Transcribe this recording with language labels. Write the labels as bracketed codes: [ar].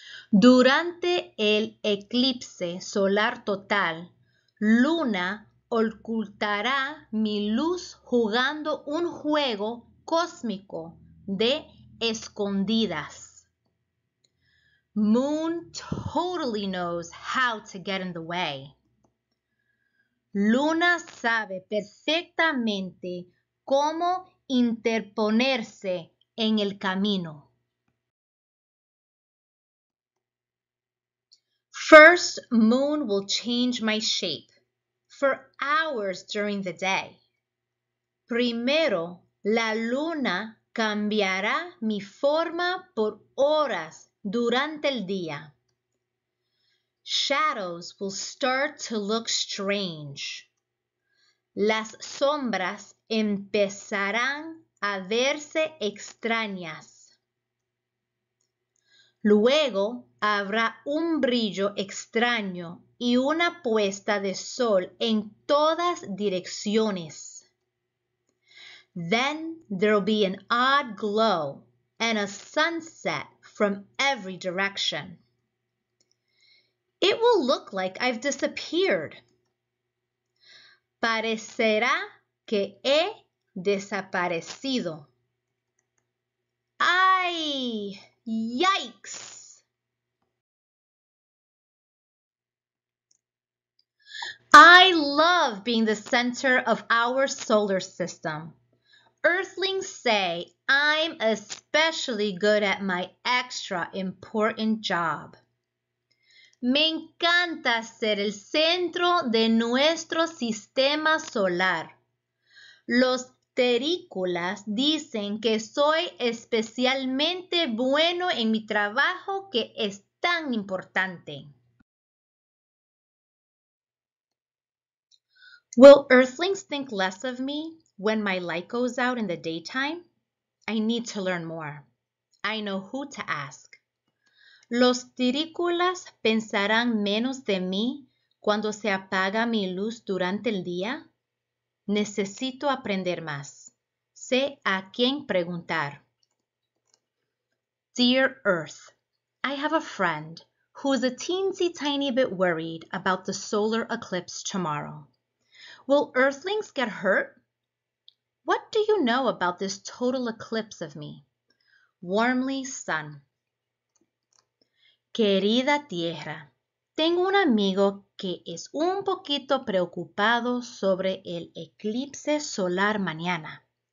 [es] Durante el eclipse solar total, Luna ocultará mi luz jugando un juego cósmico de escondidas. [en] Moon totally knows how to get in the way. [es] Luna sabe perfectamente cómo interponerse en el camino. [en] First, Moon will change my shape for hours during the day. [es] Primero, la luna cambiará mi forma por horas durante el día. [en] Shadows will start to look strange. [es] Las sombras empezarán a verse extrañas. Luego, habrá un brillo extraño y una puesta de sol en todas direcciones. [en] Then there'll be an odd glow and a sunset from every direction. It will look like I've disappeared. [es] Parecerá que he desaparecido. ¡Ay! ¡Yikes! [en] I love being the center of our solar system. Earthlings say I'm especially good at my extra important job. [es] Me encanta ser el centro de nuestro sistema solar. Los terrícolas dicen que soy especialmente bueno en mi trabajo que es tan importante. [en] Will Earthlings think less of me when my light goes out in the daytime? I need to learn more. I know who to ask. [es] Los terrícolas pensarán menos de mí cuando se apaga mi luz durante el día. Necesito aprender más. Sé a quién preguntar. [en] Dear Earth, I have a friend who is a teensy tiny bit worried about the solar eclipse tomorrow. Will Earthlings get hurt? What do you know about this total eclipse of me? Warmly, Sun. [es] Querida Tierra, tengo un amigo que es un poquito preocupado sobre el eclipse solar mañana.